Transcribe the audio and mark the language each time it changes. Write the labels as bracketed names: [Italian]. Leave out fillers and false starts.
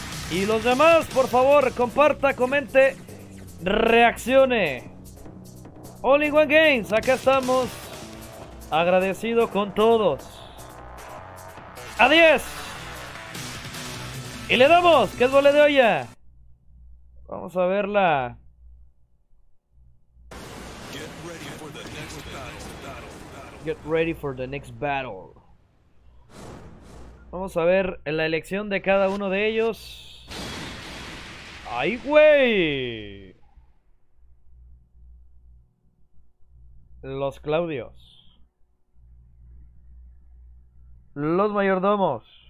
[Spanish] Y los demás, por favor, comparta, comente, reaccione. All in One Games, acá estamos. Agradecido con todos. A10. Y le damos, que es bola de olla. Vamos a verla. [English] Get ready for the next battle. Get ready for the next battle. [Spanish] Vamos a ver la elección de cada uno de ellos. ¡Ay, güey! Los Claudios. Los mayordomos.